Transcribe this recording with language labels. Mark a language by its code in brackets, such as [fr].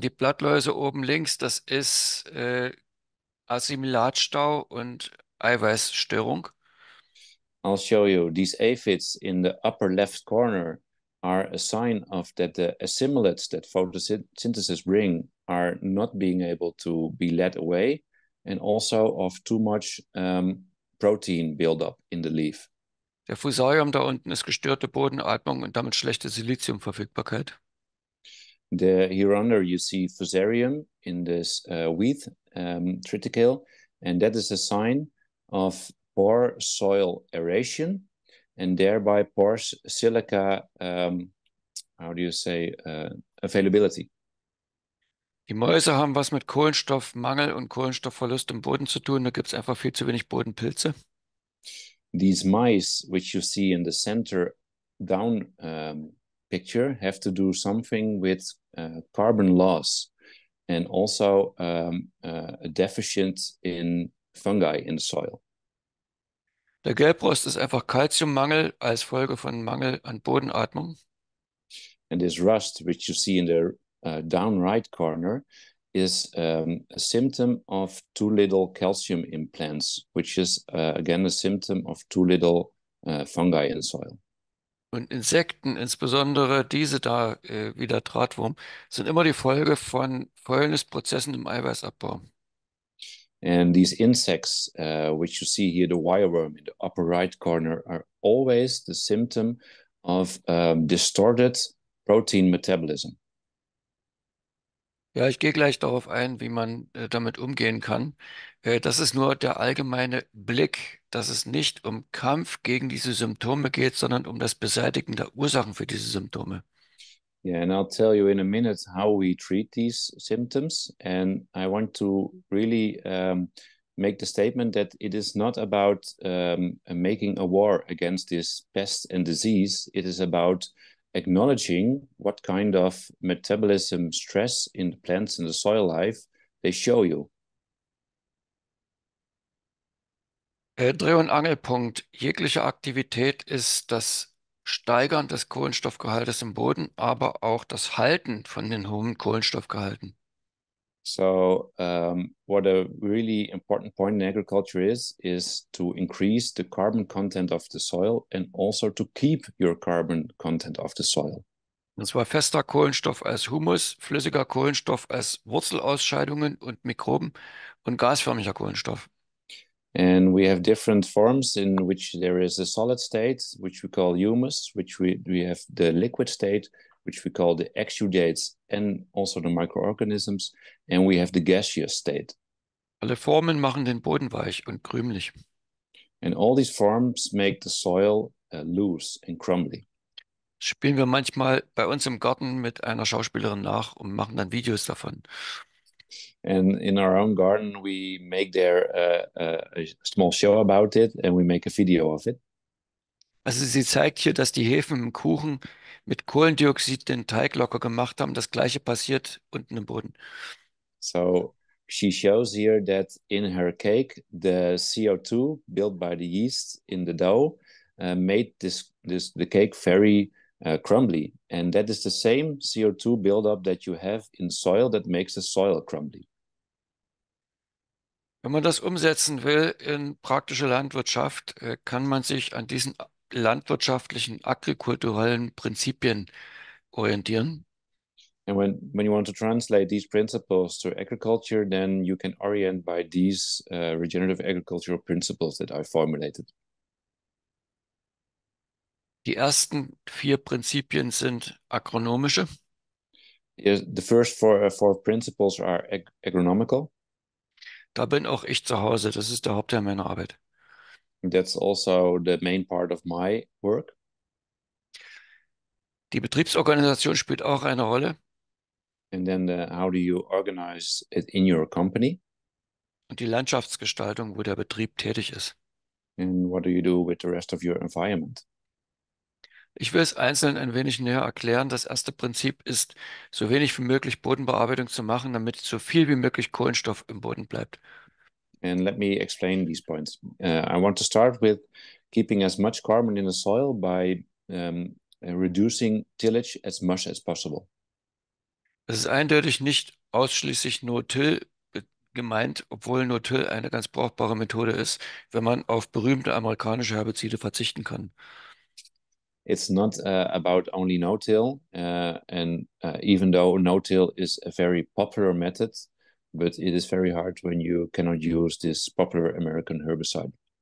[de] Die Blattläuse oben links, das ist Assimilatstau und Eiweißstörung. [en] I'll show you. These aphids in the upper left corner are a sign of that the assimilates that photosynthesis bring are not being able to be led away and also of too much protein buildup in the leaf. [de] Der Fusarium da unten ist gestörte Bodenatmung und damit schlechte Siliziumverfügbarkeit. [en] The here under you see Fusarium in this wheat triticale, and that is a sign of poor soil aeration and thereby poor silica availability. [de] Die Mäuse haben was mit Kohlenstoffmangel und Kohlenstoffverlust im Boden zu tun. Da gibt es einfach viel zu wenig Bodenpilze. [en] These mice, which you see in the center down picture, have to do something with carbon loss and also a deficit in fungi in the soil. [de] Der Gelbrost ist einfach Kalziummangel als Folge von Mangel an Bodenatmung. [en] And this rust, which you see in the downright corner, is a symptom of too little calcium implants, which is again a symptom of too little fungi in soil. [de] Und Insekten, insbesondere diese da, wie der Drahtwurm, sind immer die Folge von Fäulnisprozessen im Eiweißabbau. [en] And these insects, which you see here, the wireworm in the upper right corner, are always the symptom of distorted protein metabolism. [de] Ja, ich gehe gleich darauf ein, wie man damit umgehen kann. Das ist nur der allgemeine Blick, dass es nicht um Kampf gegen diese Symptome geht, sondern um das Beseitigen der Ursachen für diese Symptome. [en] Yeah, and I'll tell you in a minute how we treat these symptoms. And I want to really make the statement that it is not about making a war against this pest and disease. It is about acknowledging what kind of metabolism stress in the plants and the soil life they show you. [de] Dreh- und Angelpunkt. Jegliche Aktivität ist das Steigern des Kohlenstoffgehaltes im Boden, aber auch das Halten von den hohen Kohlenstoffgehalten. [en] So, what a really important point in agriculture is to increase the carbon content of the soil and also to keep your carbon content of the soil. [de] Und zwar fester Kohlenstoff als Humus, flüssiger Kohlenstoff als Wurzelausscheidungen und Mikroben und gasförmiger Kohlenstoff. [en] And we have different forms in which there is a solid state, which we call humus, which we have the liquid state, which we call the exudates and also the microorganisms, and we have the gaseous state. [de] Alle Formen machen den Boden weich und krümelig. [en] And all these forms make the soil loose and crumbly. [de] Spielen wir manchmal bei uns im Garten mit einer Schauspielerin nach und machen dann Videos davon. [en] And in our own garden, we make there a small show about it and we make a video of it. [de] Also sie zeigt hier, dass die Hefen im Kuchen mit Kohlendioxid den Teig locker gemacht haben. Das gleiche passiert unten im Boden. [en] So she shows here that in her cake, the CO2 built by the yeast in the dough made the cake very crumbly. And that is the same CO2 buildup that you have in soil that makes the soil crumbly. [de] Wenn man das umsetzen will in praktische Landwirtschaft, kann man sich an diesen landwirtschaftlichen, agrikulturellen Prinzipien orientieren. [en] And when you want to translate these principles to agriculture, then you can orient by these regenerative agricultural principles that I formulated. [de] Die ersten vier Prinzipien sind agronomische. [en] Yes, the first four principles are agronomical. [de] Da bin auch ich zu Hause, das ist der Hauptteil meiner Arbeit. [en] That's also the main part of my work. [de] Die Betriebsorganisation spielt auch eine Rolle. [en] And then how do you organize it in your company? [de] Und die Landschaftsgestaltung, wo der Betrieb tätig ist. [en] And what do you do with the rest of your environment? [de] Ich will es einzeln ein wenig näher erklären. Das erste Prinzip ist, so wenig wie möglich Bodenbearbeitung zu machen, damit so viel wie möglich Kohlenstoff im Boden bleibt. [en] And let me explain these points. I want to start with keeping as much carbon in the soil by reducing tillage as much as possible. [de] Es ist eindeutig nicht ausschließlich No-Till gemeint, obwohl No-Till eine ganz brauchbare Methode ist, wenn man auf berühmte amerikanische Herbizide verzichten kann. [en] It's not about only No-Till, even though No-Till is a very popular method, but it is very hard when you cannot use this popular American herbicide.